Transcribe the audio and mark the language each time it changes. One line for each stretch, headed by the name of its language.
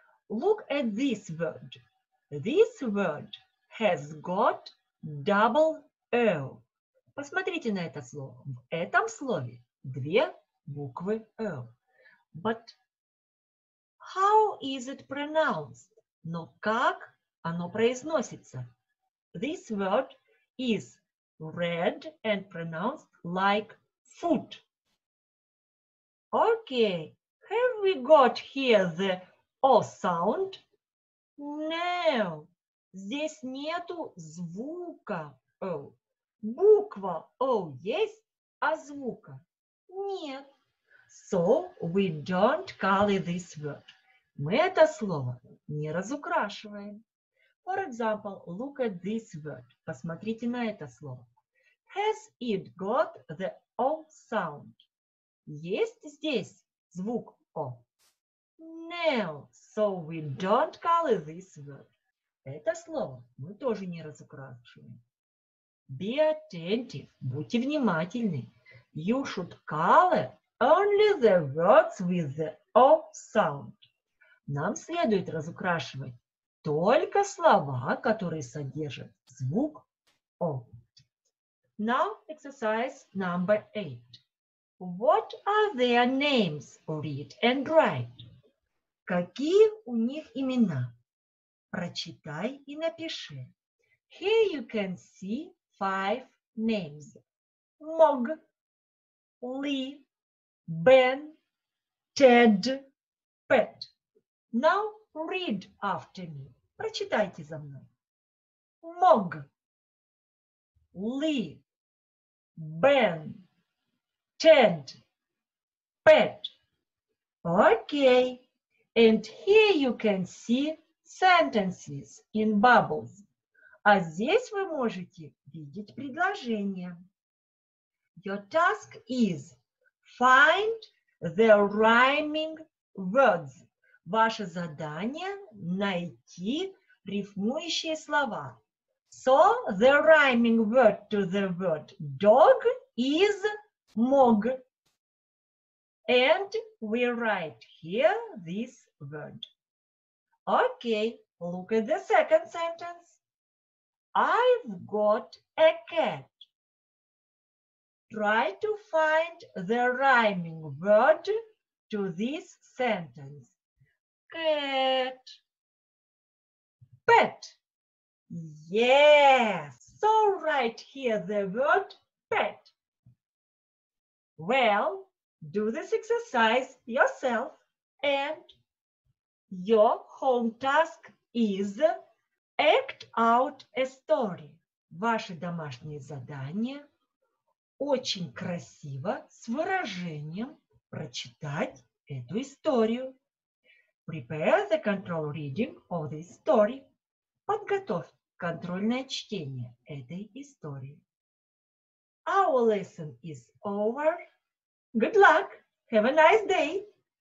English: Look at this word. This word has got double O.
Russian: Посмотрите на это слово. В этом слове две буквы O.
English: But how is it pronounced?
Russian: Но как оно произносится?
English: This word is read and pronounced like foot. Okay, have we got here the O sound?
Russian: No, здесь нету звука O. Буква O есть, а звука нет.
English: So we don't color this word.
Russian: Мы это слово не разукрашиваем.
English: For example, look at this word.
Russian: Посмотрите на это слово.
English: Has it got the O sound?
Russian: Есть здесь звук O?
English: No, so we don't color this word.
Russian: Это слово мы тоже не разукрашиваем.
English: Be attentive.
Russian: Будьте внимательны.
English: You should color only the words with the O sound.
Russian: Нам следует разукрашивать только слова, которые содержат звук О.
English: Now exercise number 8. What are their names? Read and write.
Russian: Какие у них имена? Прочитай и напиши.
English: Here you can see five names.
Russian: Мог, Ли, Бен, Тед, Пэт.
English: Now read after me.
Russian: Прочитайте за мной. Мог, Ли, Бен, Тед, Пэт.
English: Okay. And here you can see sentences in bubbles.
Russian: А здесь вы можете видеть предложения.
English: Your task is find the rhyming words.
Russian: Ваше задание – найти рифмующие слова.
English: So, the rhyming word to the word dog is mog. And we write here this word. Okay, look at the second sentence. I've got a cat. Try to find the rhyming word to this sentence. Cat. Pet. Yes. So write here the word pet. Well, do this exercise yourself and your home task is act out a story.
Russian: Ваше домашнее задание очень красиво с выражением прочитать эту историю.
English: Prepare the control reading of this story.
Russian: Подготовь контрольное чтение этой истории.
English: Our lesson is over. Good luck. Have a nice day.